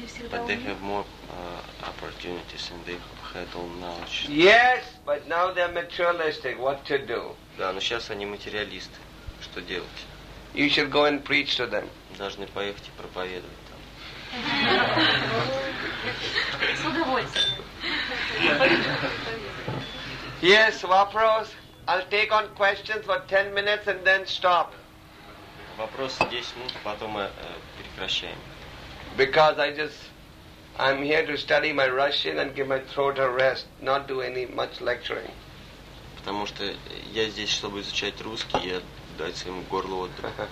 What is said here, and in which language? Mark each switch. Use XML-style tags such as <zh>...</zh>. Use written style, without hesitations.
<en>But they have more opportunities and they have had all knowledge. Yes, but now they are materialistic. What to do?</en> <ru>Да, но сейчас они материалисты. Что делать?</ru> <en>You should go and preach to them.</en> <ru>Должны поехать и проповедовать там. С удовольствием. Yes, вопрос.</ru> <en>I'll take on questions for 10 minutes and then stop.</en> <ru>Вопрос 10 минут, потом мы прекращаем.</ru> <en>Because I'm here to study my Russian and give my throat a rest, not do any much lecturing.</en> <ru>Потому что я здесь, чтобы изучать русский, я дать своему горлу отдых.</ru>